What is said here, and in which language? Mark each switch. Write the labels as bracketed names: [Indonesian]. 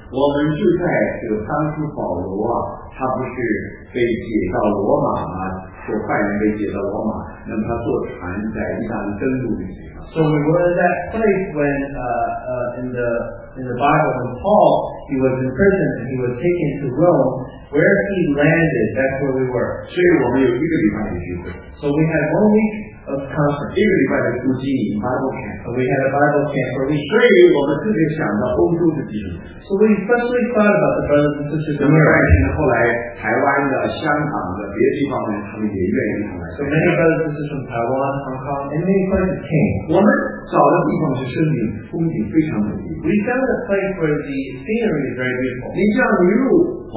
[Chinese] 我们就在这个当初保罗啊，他不是被解到罗马吗？就坏人被解到罗马，那么他坐船在意大利登陆的地方。 [English] So we were at that place when in the Bible when Paul. He was in prison and he was taken to Rome. Where he landed, that's where we were. [Chinese] 所以我们有一个礼拜的聚会。 [English] So we had 1 week of conference. [Chinese] 一个礼拜的读经 Bible camp. [English] And we had a Bible camp for a week. [Chinese] 所以我们特别想到欧洲的弟兄。 [English] So we especially thought about the brothers and sisters in America. [Chinese] 那么后来台湾的、香港的、别的地方的，他们也愿意来。 [English] So many brothers and sisters from Taiwan, Hong Kong, and many places came. [Chinese] 我们找的地方是森林，风景非常美丽。 [English] We found a place where the scenery is very beautiful.